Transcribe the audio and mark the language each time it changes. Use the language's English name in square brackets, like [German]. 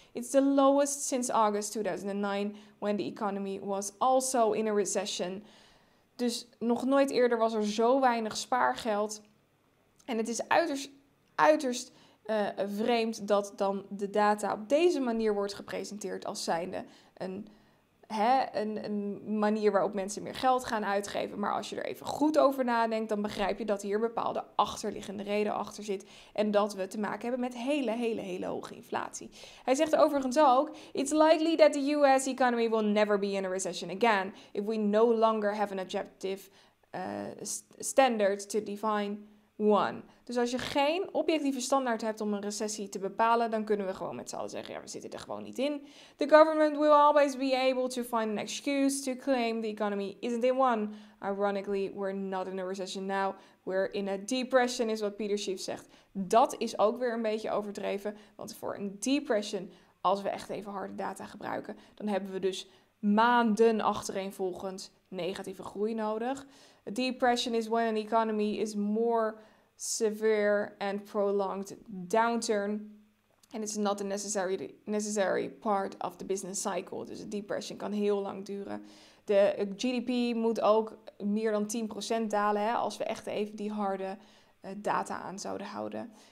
[English] It's the lowest since August 2009, when the economy was also in a recession. [Dutch] Dus nog nooit eerder was er zo weinig spaargeld. En het is uiterst vreemd dat dan de data op deze manier wordt gepresenteerd als zijnde een hè, een manier waarop mensen meer geld gaan uitgeven. Maar als je er even goed over nadenkt, dan begrijp je dat hier een bepaalde achterliggende reden achter zit. En dat we te maken hebben met hele, hele, hele hoge inflatie. Hij zegt overigens ook, [English] it's likely that the US economy will never be in a recession again if we no longer have an objective standard to define one. [Dutch] Dus als je geen objectieve standaard hebt om een recessie te bepalen, dan kunnen we gewoon met z'n allen zeggen, ja, we zitten er gewoon niet in. [English] The government will always be able to find an excuse to claim the economy isn't in one. Ironically, we're not in a recession now. We're in a depression, [Dutch] is wat Peter Schiff zegt. Dat is ook weer een beetje overdreven, want voor een depression, als we echt even harde data gebruiken, dan hebben we dus maanden achtereenvolgend negatieve groei nodig. [English] A depression is when an economy is more severe and prolonged downturn. And it's not a necessary part of the business cycle. [Dutch] Dus een depression kan heel lang duren. De GDP moet ook meer dan 10% dalen, hè, als we echt even die harde data aan zouden houden.